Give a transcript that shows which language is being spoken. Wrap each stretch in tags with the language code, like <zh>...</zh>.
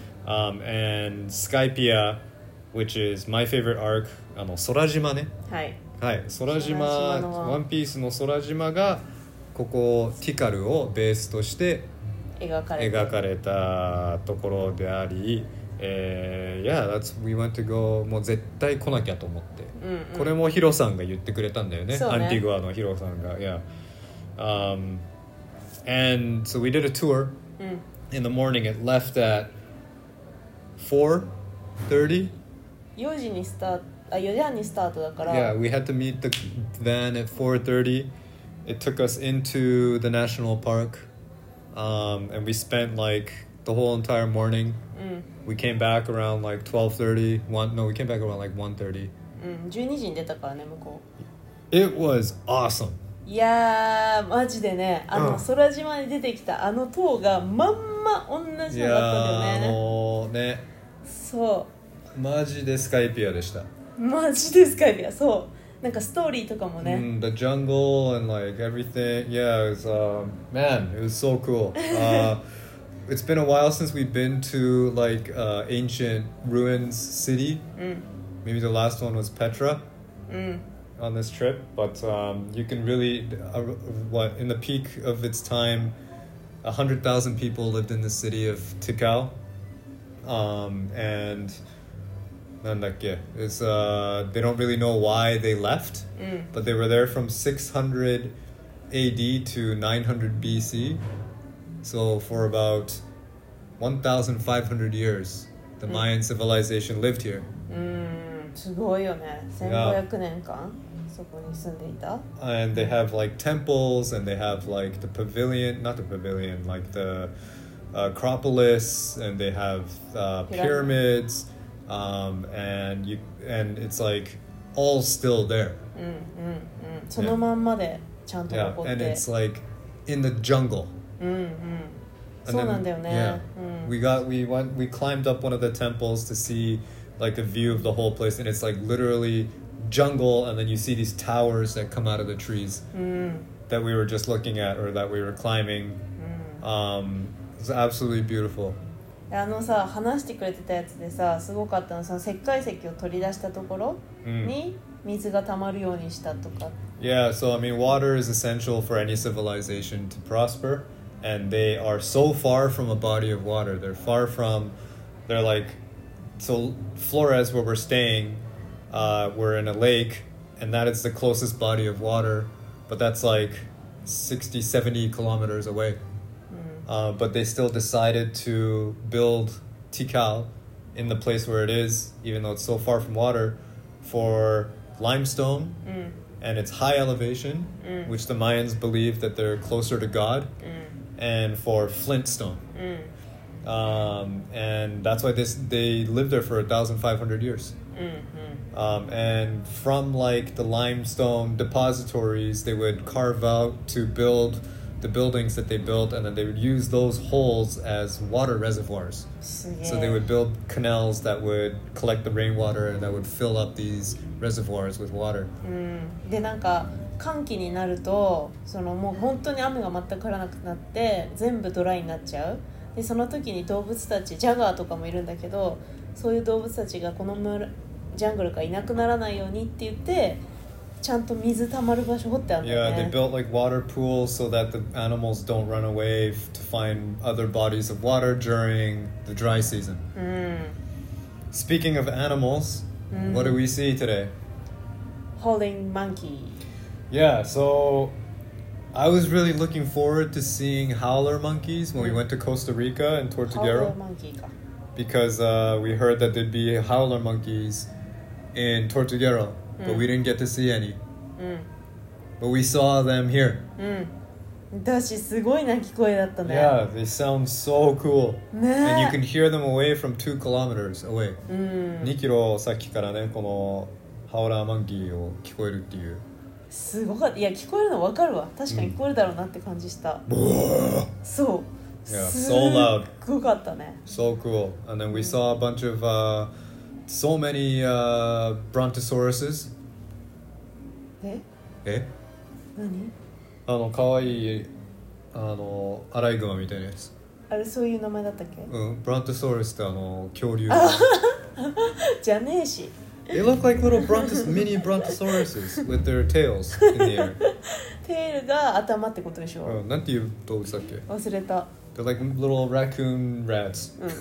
<en>And Skypiea, which is my favorite arc, Sorajima ne.</en> <ja>はい。はい。 Sorajima, One Piece の Sorajima がここTikaruをベースとして描かれたところであり、</ja> <en>Yeah, that's we want to go.</en> <ja>もう絶対来なきゃと思って。うんうん、これもヒロさんが言ってくれたんだよね。ねアンティグアのヒロさんが。</ja> <en>Yeah. And so we did a tour、</en> <ja>うん、</ja> <en>in the morning. It left at 4:30.</en> <ja>4時にスタート、あ、4時半にスタートだから。</ja> <en>Yeah, we had to meet the van at 4:30. It took us into the national park. And we spent like the whole entire morning.、</en> <ja>うん、</ja> <en>we came back around like 12:30. No, we came back around like 1:30.</en> <ja>うん、12時に出たからね、向こう。</ja> <en>It was awesome.</en> <ja>いやーマジでね、あの空島に出てきたあの塔がまんま同じだったんだよね。ね。そう。マジでスカイピアでした。マジでスカイピア、そう。なんかストーリーとかもね。</ja> <en>Mm, the jungle and like everything, yeah, it was, man, it was so cool. it's been a while since we've been to like ancient ruins city. Maybe the last one was Petra. On this trip, but you can really what in the peak of its time, 100,000 people lived in the city of Tikal, and</en> <ja>なんだっけ</ja> <en>is they don't really know why they left,、 mm. but they were there from 600 A.D. to 900 B.C. so for about 1,500 years, the、mm. Mayan civilization lived here.</en> <ja>すごいよね、1500年間。そこに住んでいた?</ja> <en>And they have like temples and they have like the pavilion, not the pavilion, like the Acropolis and they have pyramids and it's like all still there.</en> <ja>うんうんうん。そのまんまでちゃんと残って。</ja> <en>Yeah, and it's like in the jungle.</en> <ja>うんうん。そうなんだよね。</ja> <en>Yeah.</en> <ja>うん。</ja> <en>We climbed up one of the temples to see like a view of the whole place and it's like literallyjungle and then you see these towers that come out of the trees、 mm. that we were just looking at or that we were climbing、mm. It's absolutely beautiful.</en> <ja>あのさ話してくれてたやつでさすごかったのその石灰石を取り出したところに水が溜まるようにしたとか、mm.</ja> <en>Yeah, so I mean water is essential for any civilization to prosper and they are so far from a body of water. They're far from, they're like, so Flores where we're stayingwe're in a lake and that is the closest body of water but that's like 60-70 kilometers away、 mm. But they still decided to build Tikal in the place where it is even though it's so far from water for limestone、mm. and it's high elevation、mm. which the Mayans believe that they're closer to God、 mm. and for flintstone、mm. And that's why they lived there for 1,500 years、 mm-hmm. And from like the limestone depositories, they would carve out to build the buildings that they built, and then they would use those holes as water reservoirs. So they would build canals that would collect the rainwater and that would fill up these reservoirs with water.</en> <ja>で、なんか乾季になると、そのもう本当に雨が全く降らなくなって、全部ドライになっちゃう。で、その時に動物たち、ジャガーとかもいるんだけど、そういう動物たちがこの村ジャングルがいなくならないようにって言ってちゃんと水たまる場所ってあるんだね</ja> <en>Yeah, they built like water pools so that the animals don't run away to find other bodies of water during the dry season、</en> <ja>うん、</ja> <en>Speaking of animals、うん、What do we see today? Howling monkey Yeah, so I was really looking forward to seeing howler monkeys when、うん、we went to Costa Rica and Tortuguero Howler monkey か Because we heard that there'd be howler monkeys in Tortuguero,、mm. but we didn't get to see any.、 Mm. But we saw them here.、 Mm.</en> <ja>だしすごい鳴き声だったね。</ja> <en>Yeah, they sound so cool.、</en> <ja>ね、</ja> <en>And you can hear them away from 2 kilometers away.、 Mm.</en> <ja>2キロ先からね、このハウラーモンキーを聞こえるっていう。すごかった。いや、聞こえるの分かるわ。確かに聞こえるだろうなって感じした。 Mm. そう。</ja> <en>Yeah, so loud. すごかったね。 So cool. And then we saw a bunch of, so many, brontosauruses.</en> <ja>え? え?何?あの、かわいい、あの、アライグマみたいなやつ。あれそういう名前だったっけ、うん、ブラントソウルスってあの恐竜じゃねえし。</ja> <en>They look like little brontos, mini brontosauruses with their tails in the air.</en> <ja>テールが頭ってことでしょ。なんていう動物だっけ、忘れた。</ja> <en>They're like little raccoon rats.</en>